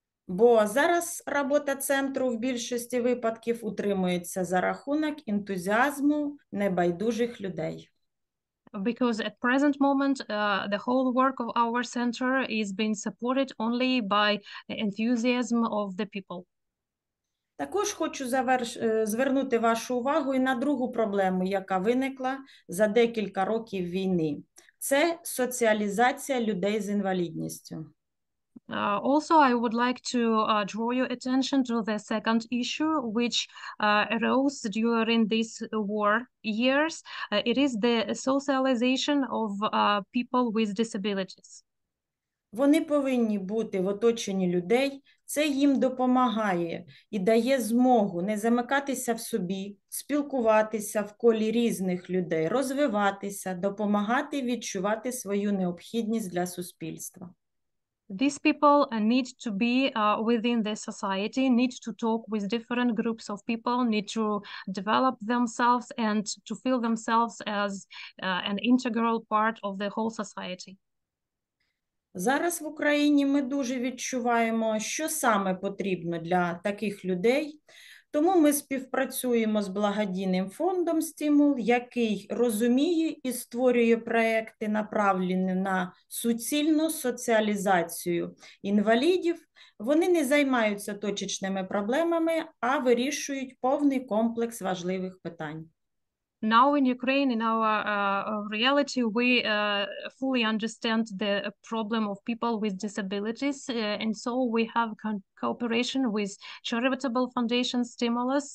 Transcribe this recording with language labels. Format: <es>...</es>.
<uk>Бо зараз робота центру в більшості випадків утримується за рахунок ентузіазму небайдужих людей.</uk> <en>Because at present moment the whole work of our center is being supported only by the enthusiasm of the people.</en> <uk>Також хочу звернути вашу увагу і на другу проблему, яка виникла за декілька років війни. Це соціалізація людей з інвалідністю.</uk> <en>Also, I would like to draw your attention to the second issue, which arose during these war years. It is the socialization of people with disabilities.</en> <uk>Вони повинні бути в оточенні людей. Це їм допомагає і дає змогу не замикатися в собі, спілкуватися в колі різних людей, розвиватися, допомагати відчувати свою необхідність для суспільства.</uk> <en>These people need to be within the society, need to talk with different groups of people, need to develop themselves and to feel themselves as an integral part of the whole society.</en> <uk>Зараз в Україні ми дуже відчуваємо, що саме потрібно для таких людей, тому ми співпрацюємо з благодійним фондом «Стимул», який розуміє і створює проекти, направлені на суцільну соціалізацію інвалідів. Вони не займаються точечними проблемами, а вирішують повний комплекс важливих питань.</uk> <en>Now in Ukraine, in our reality, we fully understand the problem of people with disabilities. And so we have cooperation with charitable foundation Stimulus.</en>